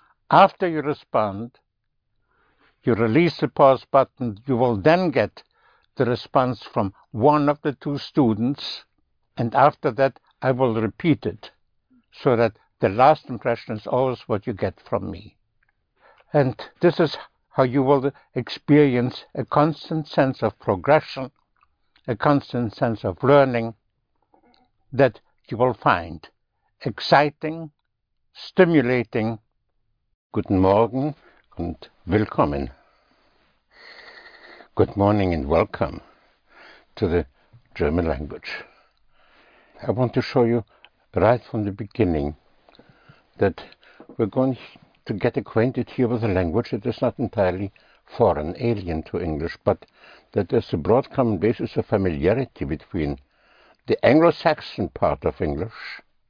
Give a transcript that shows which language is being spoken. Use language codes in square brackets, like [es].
[en] After you respond, you release the pause button, you will then get the response from one of the two students, and after that, I will repeat it so that the last impression is always what you get from me. And this is how you will experience a constant sense of progression, a constant sense of learning that you will find exciting, stimulating. [de] Guten Morgen und willkommen. [en] Good morning and welcome to the German language. I want to show you right from the beginning that we're going to get acquainted here with a language that is not entirely foreign, alien to English, but that there's a broad common basis of familiarity between the Anglo-Saxon part of English,